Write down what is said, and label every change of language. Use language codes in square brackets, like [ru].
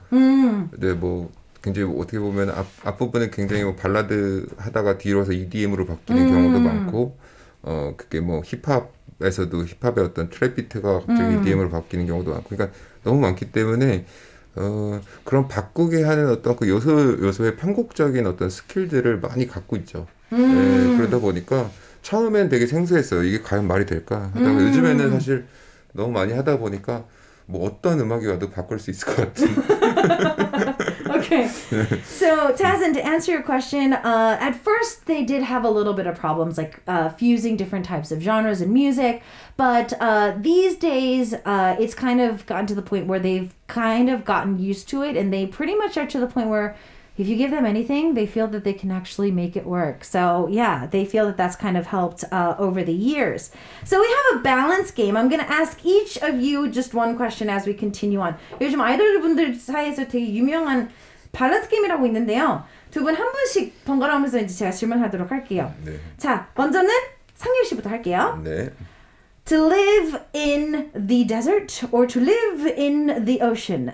[ko] 근데 뭐 굉장히 어떻게 보면 앞부분은 굉장히 뭐 발라드 하다가 뒤로 와서 EDM으로 바뀌는 경우도 많고 그게 뭐 힙합 에서도 힙합의 어떤 트랩 비트가 갑자기 EDM으로 바뀌는 경우도 많고 그러니까 너무 많기 때문에 그런 바꾸게 하는 어떤 그 요소의 편곡적인 어떤 스킬들을 많이 갖고 있죠. 네, 그러다 보니까 처음엔 되게 생소했어요. 이게 과연 말이 될까? 하다가 요즘에는 사실 너무 많이 하다 보니까 뭐 어떤 음악이 와도 바꿀 수 있을 것 같은 [en] Okay, so Tazin, to answer your question, at first they did have a little bit of problems like fusing different types of genres and music, but these days it's kind of gotten to the point where they've kind of gotten used to it and they pretty much are to the point where if you give them anything, they feel that they can actually make it work. So yeah, they feel that that's kind of helped over the years. So we have a balance game. I'm going to ask each of you just one question as we continue on. [ko] 요즘 아이돌분들 사이에서 되게 유명한 밸런스 게임이라고 있는데요. 두 분 한 분씩 번갈아오면서 이제 제가 질문하도록 할게요. 네. 자, 먼저는 상윤 씨부터 할게요. 네. [en] To live in the desert or to live in the ocean.